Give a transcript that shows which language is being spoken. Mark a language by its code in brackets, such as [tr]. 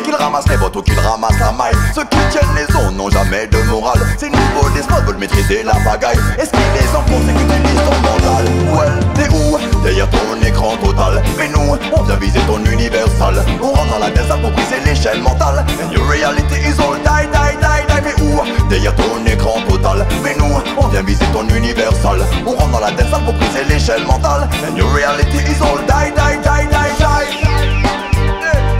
[fr] Qu'ils ramassent les bottes ou qu'ils ramassent la maille. Ceux qui tiennent les ondes n'ont jamais de morale. Ces nouveaux despotes veulent maîtriser la pagaille. Est-ce qu'ils les emportent, c'est qu'ils utilisent ton mental. Well, t'es où? Derrière ton écran total. Mais nous, on vient viser ton universal. On rentre dans la tête, ça pour briser les chaînes mentales. [en] And your reality is all die, die, die, die. [fr] Mais où? Derrière ton écran total. Mais nous, on vient viser ton universal. On rentre dans la tête, ça pour briser les chaînes mentales. [en] And your reality is all die, die, die, die, die.